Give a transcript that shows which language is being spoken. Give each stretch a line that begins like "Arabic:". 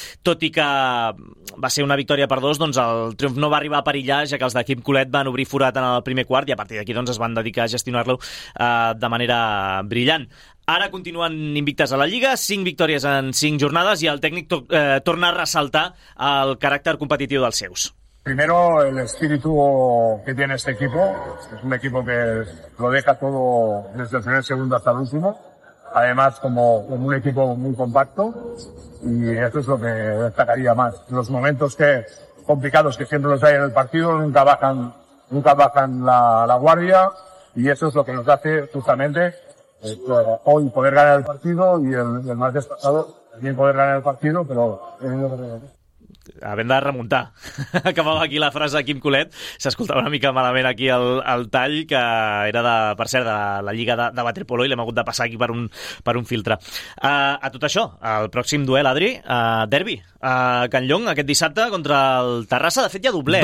Catalan: Tot i que va ser una victòria per dos, doncs el triomf no va arribar a perillar, ja que els d'equip Colet van obrir forat en el primer quart, i a partir d'aquí doncs es van dedicar a gestionar-lo de manera brillant. Ara continuen invictes a la Lliga, 5 victòries en 5 jornades, i el tècnic torna a ressaltar el caràcter competitiu dels seus.
Spanish: Primero, el espíritu que tiene este equipo. Es un equipo que lo deja todo desde el primer segundo hasta el último. Además, como un equipo muy compacto, y eso es lo que destacaría más. Los momentos que complicados que siempre los hay en el partido, nunca bajan la guardia, y eso es lo que nos hace justamente hoy poder ganar el partido, y el martes pasado también poder ganar el partido, pero...
Catalan: Havent de remuntar. Acabava aquí la frase de Quim Colet. S'escoltava una mica malament aquí el tall, que era, per cert, de la Lliga de Waterpolo, i l'hem hagut de passar aquí per un filtre. A tot això, el pròxim duel, Adri, derbi. Can Llong, aquest dissabte, contra el Terrassa. De fet, hi ha doblet.